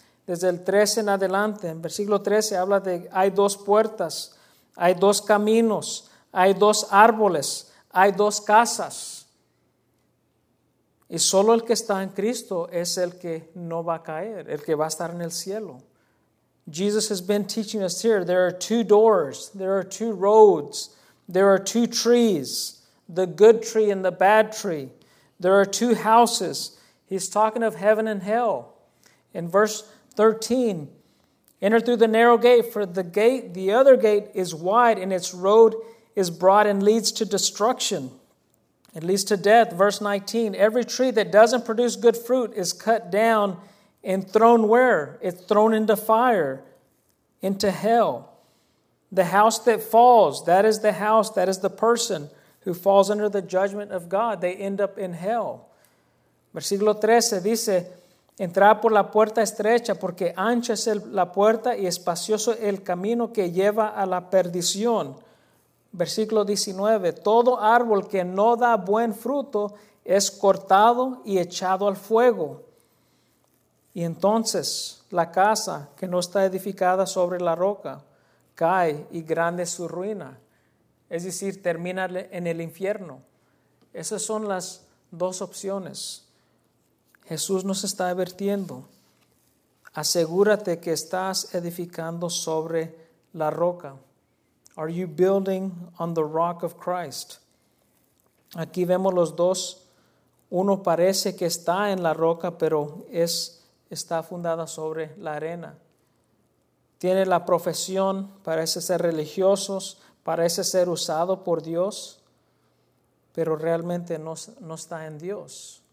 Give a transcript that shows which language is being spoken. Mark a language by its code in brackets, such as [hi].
[es] Desde el 13 en adelante, en versículo 13, habla de hay dos puertas, hay dos caminos, hay dos árboles, hay dos casas. Y solo el que está en Cristo es el que no va a caer, el que va a estar en el cielo. [en] Jesus has been teaching us here, there are two doors, there are two roads, there are two trees, the good tree and the bad tree. There are two houses. He's talking of heaven and hell. In verse 13, enter through the narrow gate, for the gate, the other gate is wide and its road is broad and leads to destruction. It leads to death. Verse 19, every tree that doesn't produce good fruit is cut down and thrown where? It's thrown into fire, into hell. The house that falls, that is the house, that is the person who falls under the judgment of God. They end up in hell. [es] Versículo 13 dice, entra por la puerta estrecha, porque ancha es la puerta y espacioso el camino que lleva a la perdición. Versículo 19, todo árbol que no da buen fruto es cortado y echado al fuego. Y entonces la casa que no está edificada sobre la roca cae y grande su ruina. Es decir, termina en el infierno. Esas son las dos opciones. Jesús nos está advirtiendo. Asegúrate que estás edificando sobre la roca. [en] Are you building on the rock of Christ? [es] Aquí vemos los dos. Uno parece que está en la roca, pero está fundada sobre la arena. Tiene la profesión, parece ser religiosos, parece ser usado por Dios, pero realmente no está en Dios.